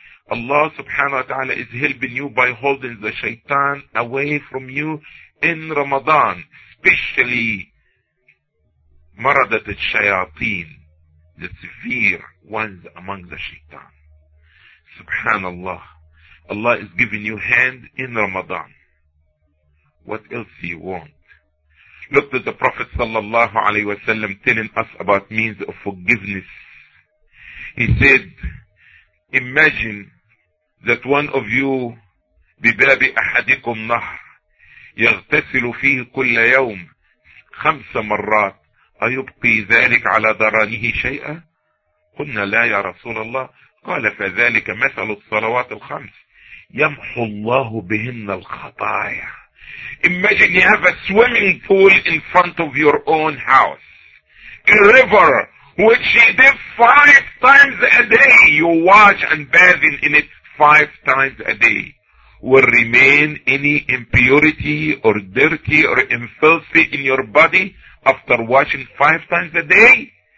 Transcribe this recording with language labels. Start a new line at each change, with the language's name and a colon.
English: Allah subhanahu wa ta'ala is helping you by holding the shaitan away from you in Ramadan, especially maradat al-shayateen, the severe ones among the shaitan. Subhanallah, Allah is giving you hand in Ramadan. What else do you want? Look to the Prophet sallallahu alayhi wa sallam telling us about means of forgiveness. He said, imagine that one of you,
Arabic: بباب أحدكم نهر يغتسل فيه كل يوم خمس مرات أيبقي ذلك على ضرانه شيئا؟ قلنا لا يا رسول الله. قال فذلك مثل الصلوات الخمس يمحو الله بهن الخطايا.
English: Imagine you have a swimming pool in front of your own house. A river which you did five times a day. You wash and bathing in it five times a day. Will remain any impurity or dirty or infilthy in your body after washing five times a day?